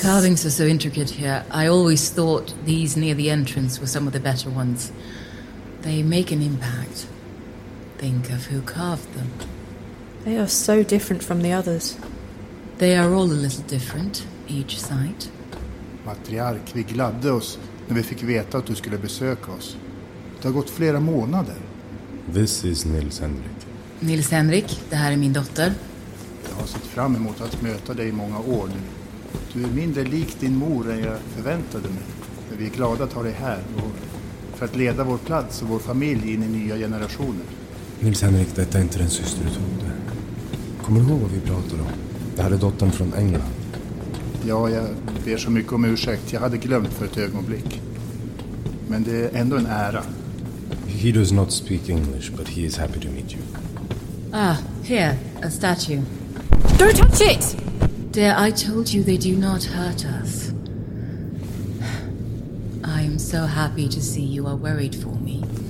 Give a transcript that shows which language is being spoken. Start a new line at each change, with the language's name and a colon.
English: The carvings are so intricate here. I always thought these near the entrance were some of the better ones. They make an impact. Think of who carved them. They are so different from the others. They are all a little different, each sight.
Swedish: Matriark, vi gladde oss när vi fick veta att du skulle besöka oss. Det har gått flera månader.
English: This is Nils Henrik.
Swedish: Nils Henrik, det här är min dotter. Jag har sett fram emot att möta dig i många år nu. Du är mindre lik din mor än jag förväntade mig. Men vi är glada att ha dig här och för att leda vår plats och vår familj in i nya generationer. Nils Henrik, detta är inte den syster du trodde. Kommer du ihåg vad vi pratade om? Det här är dottern från England. Ja, jag ber så mycket om ursäkt. Jag hade glömt för ett ögonblick. Men det är ändå en ära.
English: He does not speak English, but he is happy to meet you. Ah, here, a statue. Don't touch it! Dear, I told you they do not hurt us. I am so happy to see you are worried for me.